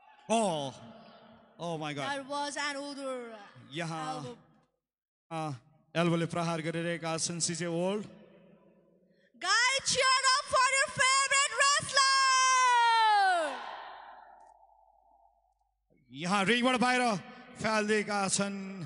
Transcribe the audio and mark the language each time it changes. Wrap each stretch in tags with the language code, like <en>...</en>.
<ne>एल्बोले प्रहार गरिरहेका छन् सिजे world</ne> <en>guys cheer up for your favourite wrestler</en> <ne>यहाँ रिङबाट बाहिर फालिदिएका छन्</ne>